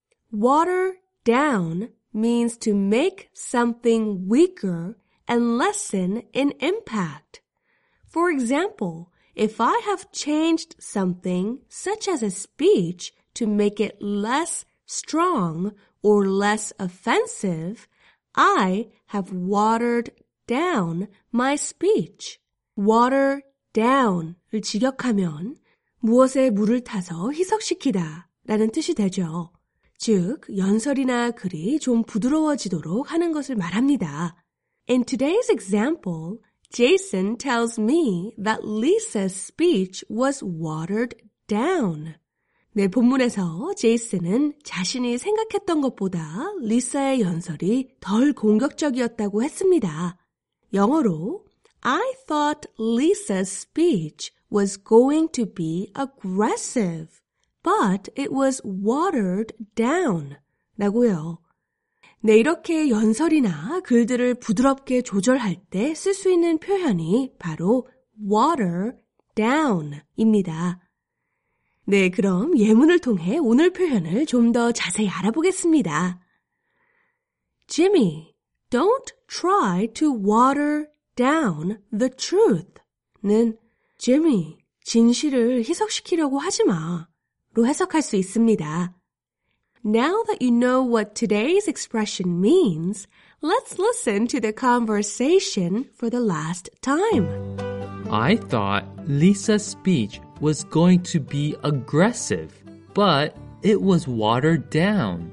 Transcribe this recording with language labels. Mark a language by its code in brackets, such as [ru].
[en] Water down means to make something weaker and lessen in impact. For example, if I have changed something, such as a speech, to make it less strong or less offensive, I have watered down my speech. [ko] Water down을 직역하면 무엇에 물을 타서 희석시키다 라는 뜻이 되죠. 즉, 연설이나 글이 좀 부드러워지도록 하는 것을 말합니다. [en] In today's example, Jason tells me that Lisa's speech was watered down. [ko] 네, 본문에서 제이슨은 자신이 생각했던 것보다 리사의 연설이 덜 공격적이었다고 했습니다. 영어로 [en] I thought Lisa's speech was going to be aggressive, but it was watered down. [ko] 라고요. 네, 이렇게 연설이나 글들을 부드럽게 조절할 때 쓸 수 있는 표현이 바로 water down입니다. 네, 그럼 예문을 통해 오늘 표현을 좀 더 자세히 알아보겠습니다. [en] Jimmy, don't try to water down the truth [ko] 는 Jimmy, 진실을 희석시키려고 하지 마 로 해석할 수 있습니다. [en] Now that you know what today's expression means, let's listen to the conversation for the last time. I thought Lisa's speech was going to be aggressive, but it was watered down.